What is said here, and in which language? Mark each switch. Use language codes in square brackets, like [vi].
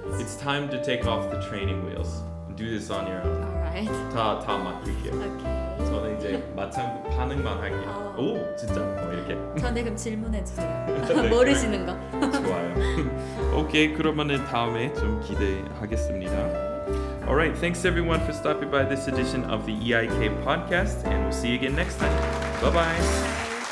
[en] It's time to take off the training wheels. Do this on your own. Right. [ko] 다 맡길게요. [en] Okay. [ko] 저는 이제 마찬가지 반응만 할게요. 오 진짜 이렇게. 저한테 그럼 질문해 주세요. 네, 모르시는 거. 좋아요. 오케이 그러면은 다음에 좀 기대하겠습니다. [en] All right, thanks everyone for stopping by this edition of the EiK Podcast, and we'll see you again next time. Bye bye.